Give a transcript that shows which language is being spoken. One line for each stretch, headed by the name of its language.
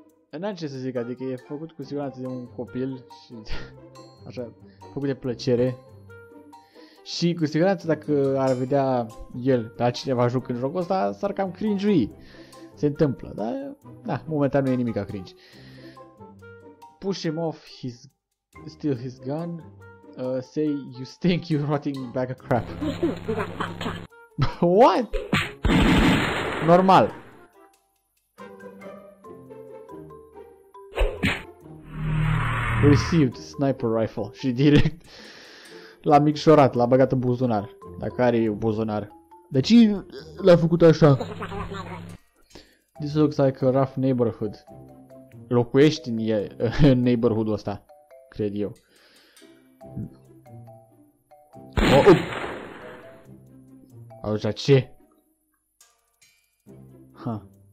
Romanian: N-am ce să zic, adică e făcut cu siguranță de un copil și așa, făcut de plăcere. Și cu siguranță dacă ar vedea el pe altcineva juc în jocul ăsta, s-ar cam cringe-ui. Se întâmplă, dar da, momentan nu e nimic a cringe.
English: Push him off, he's still his gun. Say you stink, you rotting bag of crap. What? Normal. Received sniper rifle
Romanian: și direct l-a micșorat, l-a băgat în buzunar, dacă are buzunar. De ce l-a făcut așa?
English: This looks like a rough neighborhood.
Romanian: Locuiești în neighborhood-ul ăsta, cred eu. Oh, auzi, ce? Ha.